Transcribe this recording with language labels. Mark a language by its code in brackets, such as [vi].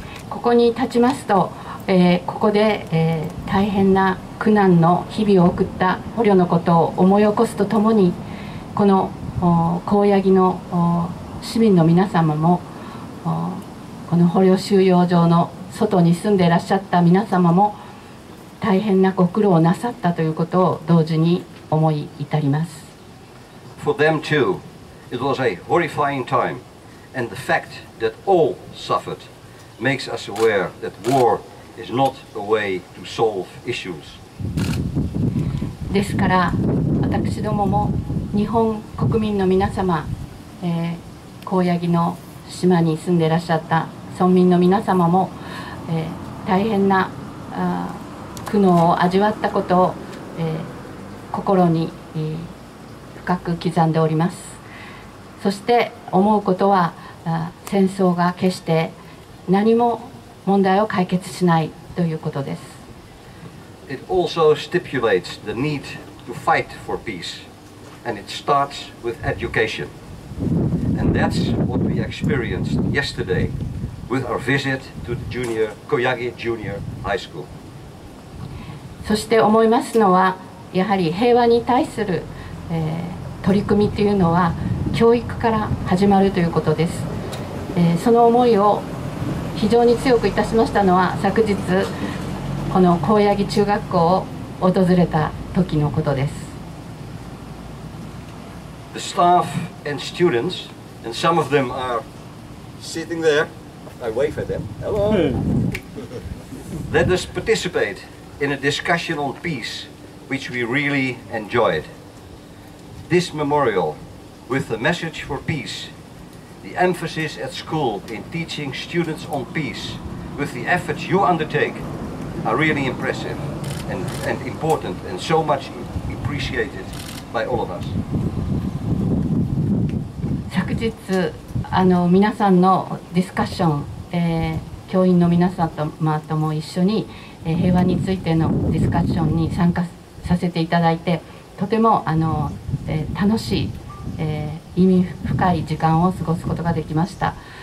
[ja] ここに立ちますと、ここで、大変な苦難の日々を送った捕虜のことを思い起こすとともに、この高野木の市民の皆様も、この捕虜収容所の外に住んでいらっしゃった皆様も、大変なご苦労をなさったということを同時に思い至ります。 [en] For them too, it was a horrifying time, and the fact that all suffered makes us aware that war is not a way to solve issues. [ja] ですから私どもも日本国民の皆様、高野木の島に住んでいらっしゃった村民の皆様も、大変な苦悩を味わったことを、心に、深く刻んでおります。そして思うことは、戦争が決して何も問題を解決しないということです。 [en] It also stipulates the need to fight for peace, and it starts with education. And that's what we experienced yesterday with our visit to the junior, Koyagi Junior High School. [ja] そして思いますのは、やはり平和に対する、取り組みというのは教育から始まるということです。その思いを非常に強くいたしましたのは、昨日この高柳中学校を訪れた時のことです。 [en] The staff and students, and some of them are sitting there. I wave at them. Hello. Let us participate in a discussion on peace, which we really enjoyed. This memorial, with the message for peace, the emphasis at school in teaching students on peace, with the efforts you undertake. are really impressive and important and so much appreciated by all of us. [ja] 昨日皆さんのディスカッション、教員の皆さんと、まあ、とも一緒に、平和についてのディスカッションに参加させていただいて、とても楽しい、意味深い時間を過ごすことができました。